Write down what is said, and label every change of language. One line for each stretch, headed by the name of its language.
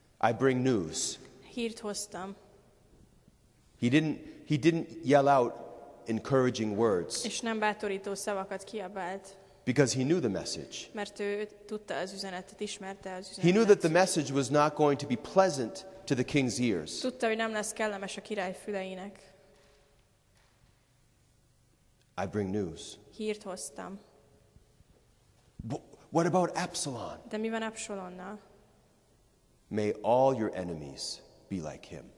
English: I bring news.
Hungarian: Hírt hoztam.
English: He didn't yell out encouraging words.
Hungarian: És nem bátorító szavakat kiabált.
English: Because he knew the message.
Hungarian: Mert ő tudta az üzenetet, ismerte az üzenetet.
English: He knew that the message was not going to be pleasant to to the king's ears.
Hungarian: Tudta, hogy nem lesz kellemes a király füleinek.
English: I bring news.
Hungarian: Hírt hoztam.
English: What about Absalom?
Hungarian: De mi van Absalonnal?
English: May all your enemies be like him.